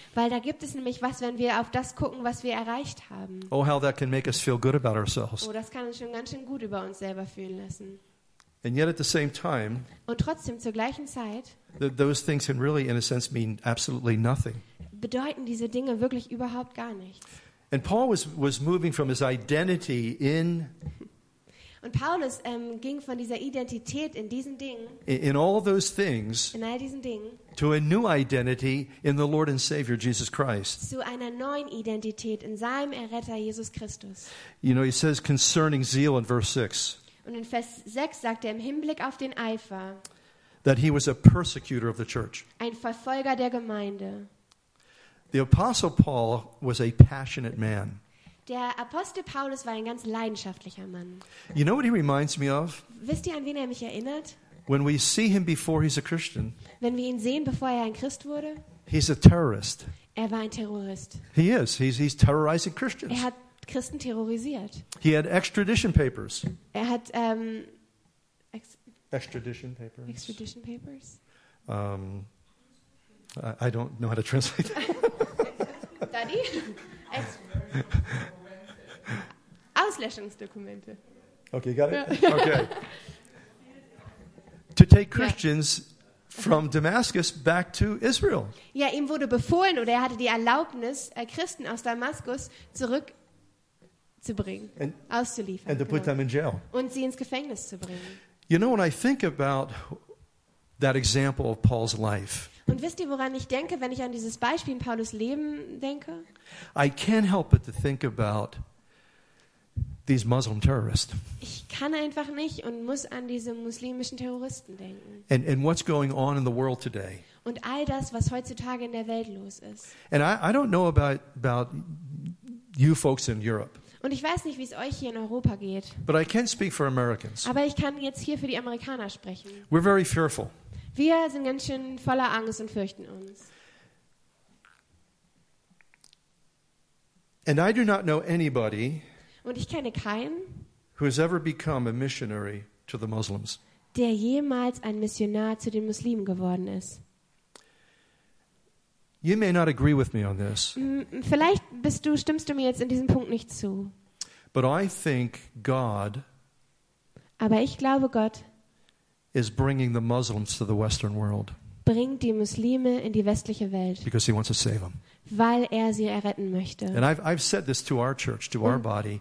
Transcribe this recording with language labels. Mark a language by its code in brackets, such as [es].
[de] Weil da gibt es nämlich was, wenn wir auf das gucken, was wir erreicht haben. [en] Oh, how that can make us feel good about ourselves. [de] Oh, das kann uns schon ganz schön gut über uns selber fühlen lassen. [en] And yet at the same time. [de] Und trotzdem zur gleichen Zeit. [en] Those things can really, in a sense, mean absolutely nothing. [de] Bedeuten diese Dinge wirklich überhaupt gar nichts. [en] And Paul was moving from his identity in. [de] Und Paulus ging von dieser Identität in diesen Dingen. [en] In all those things. [de] In all diesen Dingen. [en] To a new identity in the Lord and Savior Jesus Christ. [de] Zu einer neuen Identität in seinem Erretter Jesus Christus. [en] You know, he says concerning zeal in verse 6. [de] Und in Vers 6 sagt im Hinblick auf den Eifer. [en] That he was a persecutor of the church. [de] Ein Verfolger der Gemeinde. [en] The Apostle Paul was a passionate man. [de] Der Apostel Paulus war ein ganz leidenschaftlicher Mann. [en] You know what he reminds me of? [de] Wisst ihr, an wen er mich erinnert? [en] When we see him before he's a Christian. [de] Wenn wir ihn sehen, bevor er ein Christ wurde. [en] He's a terrorist. [de] Er war ein Terrorist. [en] He is. He's terrorizing Christians. [de] Er hat Christen terrorisiert. [en] He had extradition papers. [de] Er hat [en] extradition papers. Extradition papers. I don't know how to translate that. Daddy? [de] Auslöschungsdokumente. [en] Okay, got it? Okay. To take Christians from Damascus back to Israel. [de] Ja, ihm wurde befohlen oder er hatte die Erlaubnis, Christen aus Damaskus zurückzubringen, auszuliefern. [en] And to put them in jail. [de] Und sie ins Gefängnis zu bringen. [en] You know, when I think about that example of Paul's life, [de] und wisst ihr, woran ich denke, wenn ich an dieses Beispiel in Paulus Leben denke? [en] I can't help but to think about these Muslim terrorists. [de] Ich kann einfach nicht und muss an diese muslimischen Terroristen denken. [en] And what's going on in the world today? [de] Und all das, was heutzutage in der Welt los ist. [en] And I don't know about you folks in Europe. [de] Und ich weiß nicht, wie es euch hier in Europa geht. [en] But I can speak for Americans. [de] Aber ich kann jetzt hier für die Amerikaner sprechen. [en] We're very fearful. [de] Wir sind ganz schön voller Angst und fürchten uns. [en] And I do not know anybody. [de] Und ich kenne keinen. [en] Who has ever become a missionary to the Muslims? [de] Der jemals ein Missionar zu den Muslimen geworden ist. [en] You may not agree with me on this. [de] Vielleicht stimmst du mir jetzt in diesem Punkt nicht zu. [en] But I think God. [de] Aber ich glaube Gott. [en] Is bringing the Muslims to the Western world. [de] Bringt die Muslime in die westliche Welt. [en] Because he wants to save them. [de] Weil er sie erretten möchte. [en] And I've said this to our church, to our body.